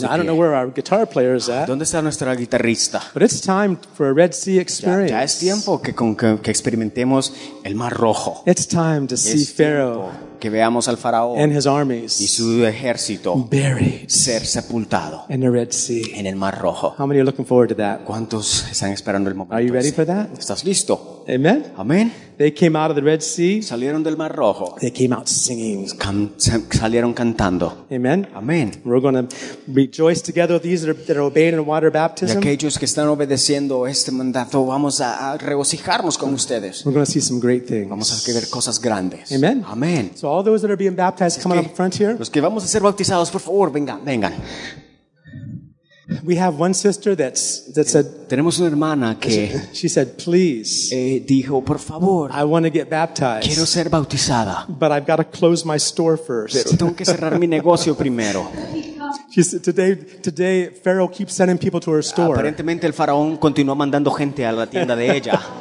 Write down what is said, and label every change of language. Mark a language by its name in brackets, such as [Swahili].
[English] Now, I don't know where our guitar player is at. [Spanish] ¿Dónde está nuestra guitarrista? [English] But it's time for a Red Sea experience. [Spanish] Ya, ya es tiempo que experimentemos el Mar Rojo. [English] It's time to [Spanish] es [English] see Pharaoh. [Spanish] Que veamos al faraón [English] and his armies [Spanish] y su ejército [English] buried [Spanish] ser sepultado [English] in the Red Sea. [Spanish] En el Mar Rojo. [English] How many are looking forward to that? [Spanish] ¿Cuántos están esperando el momento? [English] Are you ready [Spanish] ese? [English] For that? [Spanish] ¿Estás listo? [English] Amen. Amen. They came out of the Red Sea. [Spanish] Salieron del Mar Rojo. [English] They came out singing. [Spanish] Salieron cantando. [English] Amen. Amen. We're going to rejoice together with these that are obeying in water baptism. [Spanish] Y aquellos que están obedeciendo este mandato, vamos a regocijarnos con ustedes. [English] We're going to see some great things. [Spanish] Vamos a ver cosas grandes. [English] Amen. Amen. So all those that are being baptized, come up front here. [Spanish] Los que vamos a ser bautizados, por favor, vengan, vengan. [English] We have one sister that said. [Spanish] Tenemos una hermana que. [English] She said, "Please." [Spanish] Dijo, por favor. [English] I want to get baptized. [Spanish] Quiero ser bautizada. [English] But I've got to close my store first. [Spanish] Pero tengo que cerrar mi negocio primero. [English] She said, "Today, Pharaoh keeps sending people to her store." [Spanish] Aparentemente, el faraón continúa mandando gente a la tienda de ella.